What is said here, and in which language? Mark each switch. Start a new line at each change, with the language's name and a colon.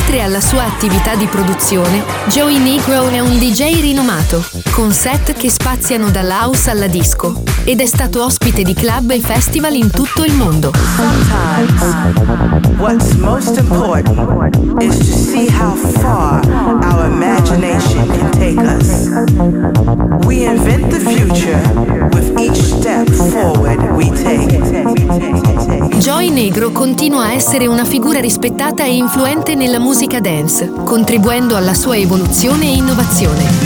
Italian: La sua attività di produzione, Joey Negro è un DJ rinomato, con set che spaziano dalla house alla disco, ed è stato ospite di club e festival in tutto il mondo.
English: What's most important is to see how far our imagination can take us. We invent the future with each step forward we take.
Italian: Joey Negro continua a essere una figura rispettata e influente nella musica dance, contribuendo alla sua evoluzione e innovazione.